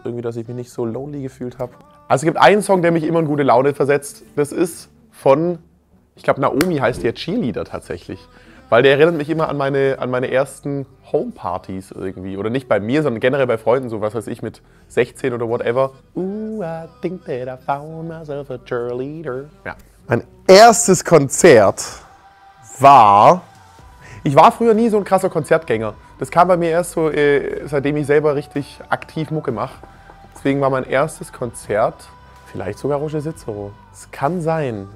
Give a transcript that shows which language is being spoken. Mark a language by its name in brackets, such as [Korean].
[German] Irgendwie, dass ich mich nicht so lonely gefühlt habe. Also es gibt einen Song, der mich immer in gute Laune versetzt. Das ist von, ich glaube, Naomi heißt der Cheerleader tatsächlich. Weil der erinnert mich immer an meine ersten Homepartys irgendwie. Oder nicht bei mir, sondern generell bei Freunden, so was weiß ich, mit 16 oder whatever. [English] Ooh, I think that I found myself a cheerleader. [German] Ja. Mein erstes Konzert war... Ich war früher nie so ein krasser Konzertgänger. Das kam bei mir erst so, seitdem ich selber richtig aktiv Mucke mache. Deswegen war mein erstes Konzert... Vielleicht sogar Roger Cicero. Es kann sein.